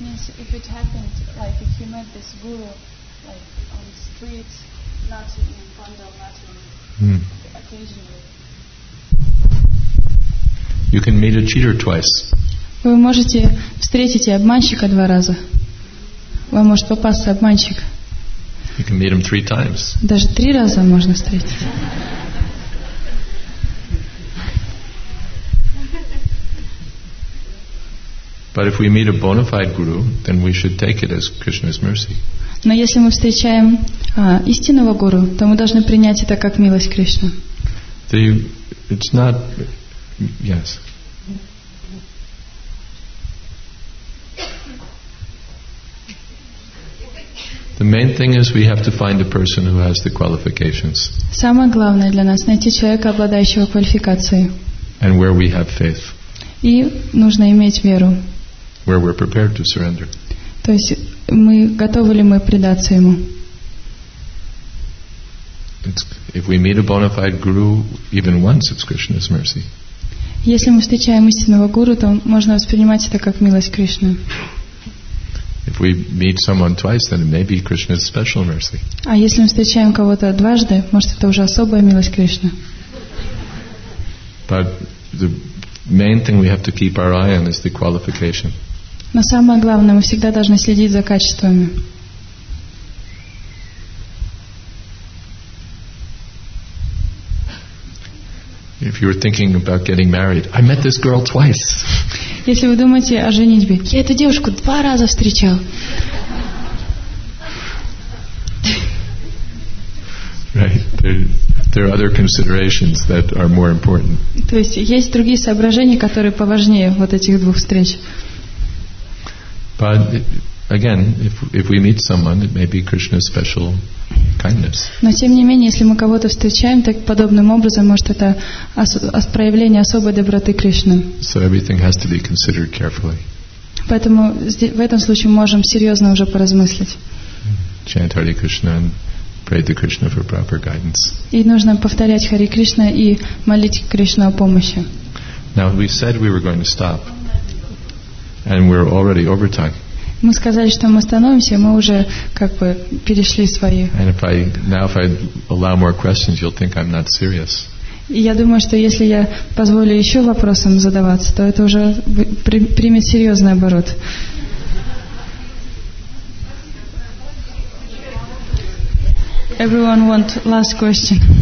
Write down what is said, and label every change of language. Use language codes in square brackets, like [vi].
[en] Means if it happened, like if he met this guru like on the street, not in Pandal, not in occasionally. You can meet a cheater twice. [ru] Вы можете встретить и обманщика два раза. Вам может попасться обманщик. [en] You can meet him three times. [ru] Даже три раза можно встретить. [en] But if we meet a bona fide guru, then we should take it as Krishna's mercy. [ru] Но если мы встречаем истинного гуру, то мы должны принять это как милость Кришны. [en] It's not. Yes. The main thing is we have to find a person who has the qualifications. [ru] Самое главное для нас найти человека, обладающего квалификацией. [en] And where we have faith. [ru] И нужно иметь веру. [en] Where we're prepared to surrender. [ru] То есть мы готовы ли мы предаться ему? [en] If we meet a bona fide guru even once, it's Krishna's mercy. [ru] Если мы встречаем истинного гуру, то можно воспринимать это как милость Кришны. [en] If we meet someone twice, then maybe Krishna's special mercy. [ru] А если мы встречаем кого-то дважды, может это уже особая милость Кришны. [en] But the main thing we have to keep our eye on is the qualification. [ru] Но самое главное, мы всегда должны следить за качествами. [en] If you were thinking about getting married, I met this girl twice. [ru] Если вы думаете о женитьбе, я эту девушку два раза встречал. [en] Right. There are other considerations that are more important. [ru] То есть есть другие соображения, которые поважнее вот этих двух встреч. [en] But again, if we meet someone, it may be Krishna's special kindness. [ru] Но тем не менее, если мы кого-то встречаем так подобным образом, может это проявление особой доброты Кришны. [en] So everything has to be considered carefully. [ru] Поэтому в этом случае можем серьезно уже поразмыслить. [en] Chant Hare Krishna and pray to Krishna for proper guidance. [ru] И нужно повторять Хари Кришна и молить Кришну о помощи. [en] Now we said we were going to stop, and we're already over time. [ru] Мы сказали, что мы остановимся, мы уже как бы перешли свои. [en] And if I now if I allow more questions, you'll think I'm not serious. [ru] И я думаю, что если я позволю еще вопросам задаваться, то это уже примет серьезный оборот. [en] Everyone want last question.